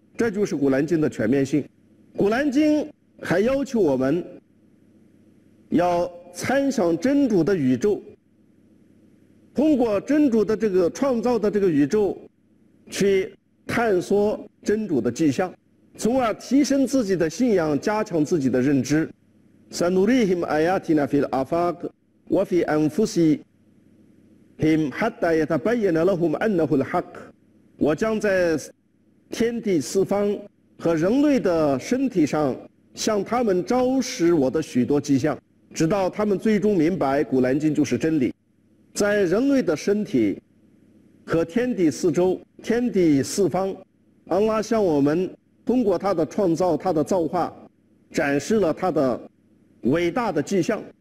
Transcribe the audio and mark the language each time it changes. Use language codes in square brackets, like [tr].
[zh] 这就是古兰经的全面性。古兰经还要求我们要参详真主的宇宙，通过真主的这个创造的这个宇宙去探索真主的迹象，从而提升自己的信仰，加强自己的认知。 [ar] سنريهم آياتنا في الآفاق وفي أنفسهم حتى يتبين لهم أنه الحق。 [zh] 我将在天地四方和人类的身体上向他们昭示我的许多迹象，直到他们最终明白古兰经就是真理。在人类的身体和天地四周、天地四方，安拉向我们通过他的创造、他的造化展示了他的伟大的迹象。